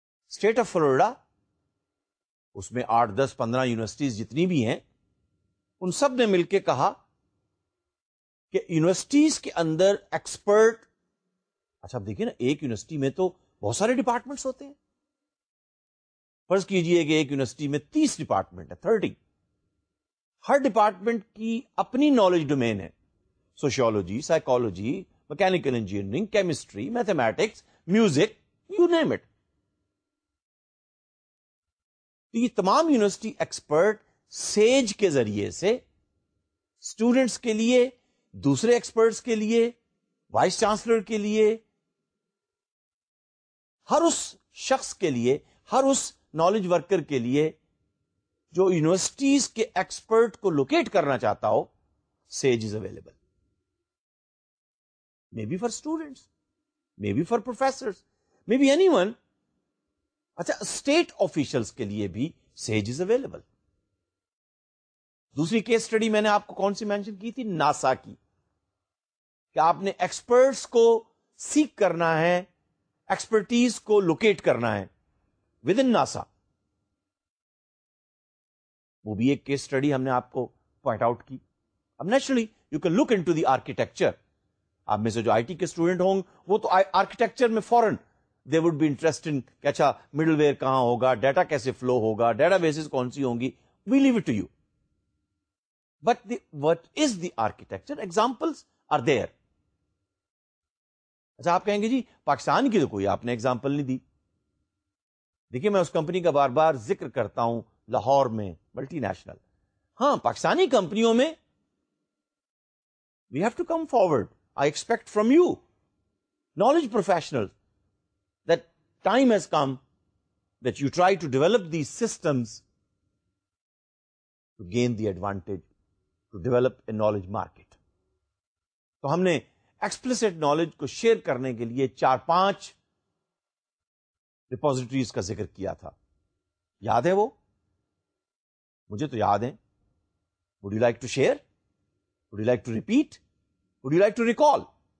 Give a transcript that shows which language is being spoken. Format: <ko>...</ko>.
<ur>State of Florida, اس میں 8-10-15 universities جتنی بھی ہیں, ان سب نے مل کے کہا کہ یونیورسٹیز کے اندر ایکسپرٹ. اچھا, آپ دیکھیں نا, ایک یونیورسٹی میں تو بہت سارے ڈپارٹمنٹس ہوتے ہیں. فرض کیجئے کہ ایک یونیورسٹی میں 30 ڈپارٹمنٹ ہے, 30. ہر ڈپارٹمنٹ کی اپنی نالج ڈومین ہے. Sociology, psychology, mechanical engineering, chemistry, mathematics, music,</ur> <en>You name it.</en> <ur>تو یہ تمام یونیورسٹی ایکسپرٹ سیج کے ذریعے سے اسٹوڈنٹس کے لیے, دوسرے ایکسپرٹس کے لیے, وائس چانسلر کے لیے, ہر اس شخص کے لیے, ہر اس نالج ورکر کے لیے جو یونیورسٹیز کے ایکسپرٹ کو لوکیٹ کرنا چاہتا ہو,</ur> <en>Sage is available. May be for students, may be for professors, may be anyone.</en> <ur>اچھا, اسٹیٹ آفیشلس کے لیے بھی</ur> <en>Sage is available.</en> <ur>دوسری کیس سٹڈی میں نے آپ کو کون سی مینشن کی تھی؟ ناسا کی. کہ آپ نے ایکسپرٹس کو سیک کرنا ہے, ایکسپرٹیز کو لوکیٹ کرنا ہے</ur> <en>Within NASA.</en> <ur>وہ بھی ایک کیس سٹڈی ہم نے آپ کو پوائنٹ آؤٹ کی.</ur> <en>اب naturally you can look into the architecture.</en> <ur>آپ میں سے جو آئی ٹی کے اسٹوڈنٹ ہوں وہ تو آرکیٹیکچر میں فورن</ur> <en>they would be interest in</en> <ur>کہ اچھا مڈل ویئر کہاں ہوگا, ڈیٹا کیسے فلو ہوگا, ڈیٹا بیسز کون سی ہوں گی.</ur> <en>We leave it to you. But the, what is the architecture? Examples are there.</en> <ur>اچھا, آپ کہیں گے جی پاکستان کی تو کوئی آپ نے ایگزامپل نہیں دی. دیکھیے, میں اس کمپنی کا بار بار ذکر کرتا ہوں, لاہور میں ملٹی نیشنل. ہاں, پاکستانی کمپنیوں میں</ur> <en>we have to come forward. I expect from you, knowledge professionals, that time has come that you try to develop these systems to gain the advantage to develop a knowledge market.</en> <ur>تو ہم نے explicit knowledge کو share کرنے کے لیے چار پانچ repositories کا ذکر کیا تھا. یاد ہے وہ؟ مجھے تو یاد ہیں.</ur> <en>Would you like to share? Would you like to repeat? Would you like to recall?</en>